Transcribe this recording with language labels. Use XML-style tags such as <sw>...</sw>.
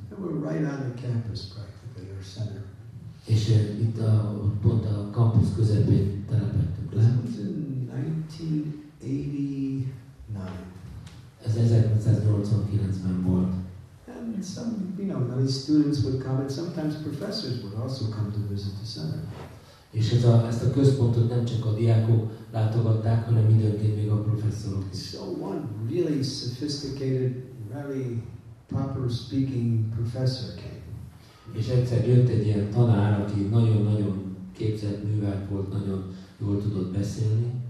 <en>And we're right on the campus practically, our center.</en> <hu>És itt pont a kampusz közepén telepettünk le.</hu> <en>It was in 1989.</en> <hu>Ez 1989-ben volt.</hu> <en>And some, many students would come, and sometimes professors would also come to visit the center.</en> <hu>És ezt a központot nem csak a diákok látogatták, hanem időnként még a professzorok.</hu> <en>So one really sophisticated, very proper speaking professor came.</en> <hu>És egyszer jött egy ilyen tanár, aki nagyon-nagyon képzett művelt volt, nagyon jól tudott beszélni.</hu>